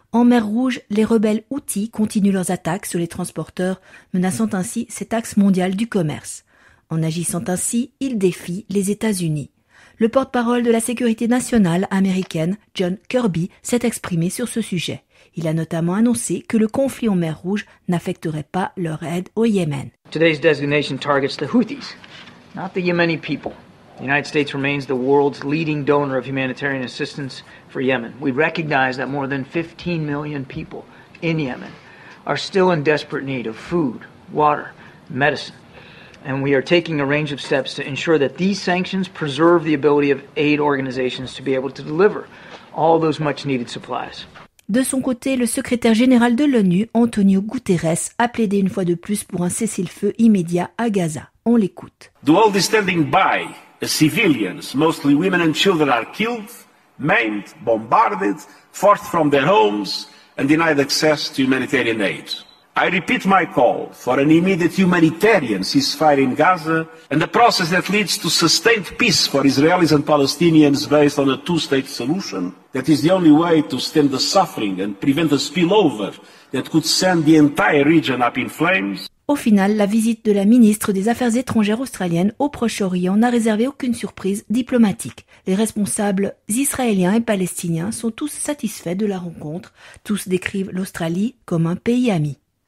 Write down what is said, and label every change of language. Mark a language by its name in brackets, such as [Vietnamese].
[French] En mer Rouge, les rebelles houthis continuent leurs attaques sur les transporteurs, menaçant ainsi cet axe mondial du commerce. En agissant ainsi, ils défient les États-Unis. Le porte-parole de la sécurité nationale américaine, John Kirby, s'est exprimé sur ce sujet. Il a notamment annoncé que le conflit en mer Rouge n'affecterait pas leur aide au Yémen. [English] Today's designation targets the Houthis, not the Yemeni people. The United States remains the world's leading donor of humanitarian assistance for Yemen. We recognize that more than 15 million people in Yemen are still in desperate need of food, water, medicine. And we are taking a range of steps to ensure that these sanctions preserve the ability of aid organizations to be able to deliver all those much needed supplies. [French] De son côté, le secrétaire général de l'ONU, Antonio Guterres, a plaidé une fois de plus pour un cessez-le-feu immédiat à Gaza. On l'écoute. [English] Do all this standing by. The civilians, mostly women and children, are killed, maimed, bombarded, forced from their homes, and denied access to humanitarian aid. I repeat my call for an immediate humanitarian ceasefire in Gaza and a process that leads to sustained peace for Israelis and Palestinians based on a two-state solution. That is the only way to stem the suffering and prevent a spillover that could send the entire region up in flames. [French] Au final, la visite de la ministre des Affaires étrangères australienne au Proche-Orient n'a réservé aucune surprise diplomatique. Les responsables israéliens et palestiniens sont tous satisfaits de la rencontre. Tous décrivent l'Australie comme un pays ami.